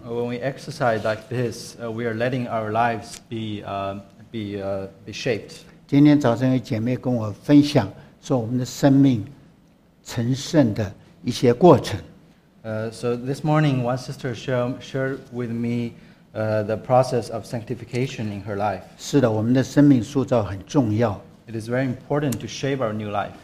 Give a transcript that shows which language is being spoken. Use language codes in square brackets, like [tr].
[en] When we exercise like this, we are letting our lives be shaped. [zh] 今天早上有姐妹跟我分享说我们的生命成圣的一些过程。 [en] So this morning, one sister shared with me. The process of sanctification in her life. [zh] 是的，我们的生命塑造很重要。 [en] It is very important to shape our new life.